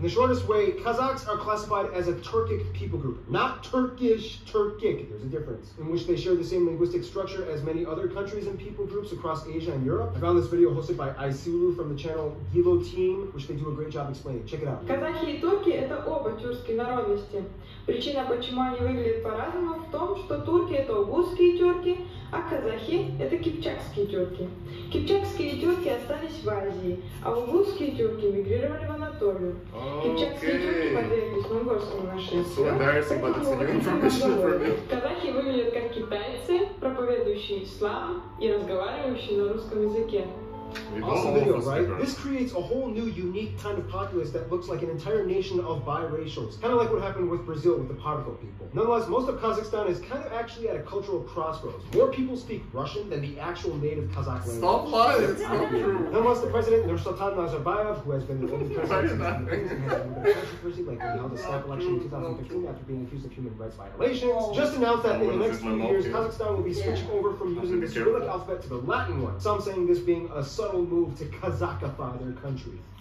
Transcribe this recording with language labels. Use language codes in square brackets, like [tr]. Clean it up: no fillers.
[en] In the shortest way, Kazakhs are classified as a Turkic people group, not Turkish, Turkic, there's a difference, in which they share the same linguistic structure as many other countries and people groups across Asia and Europe. I found this video hosted by Aysulu from the channel Gilo Team, which they do a great job explaining. Check it out. Kazakhs and Turks are both Turkic nationalities. The reason why they look different is that the Turks are Oghuzskiy Turki, and Kazakhs are Kipchakskiy Turki. [ru] Кипчакские тюрки остались в Азии, а угусские тюрки мигрировали в Анатолию. Кипчакские тюрки подверглись монгольскому нашествию. Казахи выглядят как китайцы, проповедующие ислам и разговаривающие на русском языке. [en] Awesome video, right? This creates a whole new unique kind of populace that looks like an entire nation of biracials. Kind of like what happened with Brazil with the Parco people. Nonetheless, most of Kazakhstan is kind of actually at a cultural crossroads. More people speak Russian than the actual native Kazakh language. Stop lying, it's not true. Nonetheless, the president, Nursultan Nazarbayev, who has been the only president since the controversy, like when he held a snap election in 2015 after being accused of human rights violations, just announced that in the next few years, Kazakhstan will be switching over from using the Cyrillic alphabet to the Latin one. Some saying this being a subtle move to Kazakhify their country.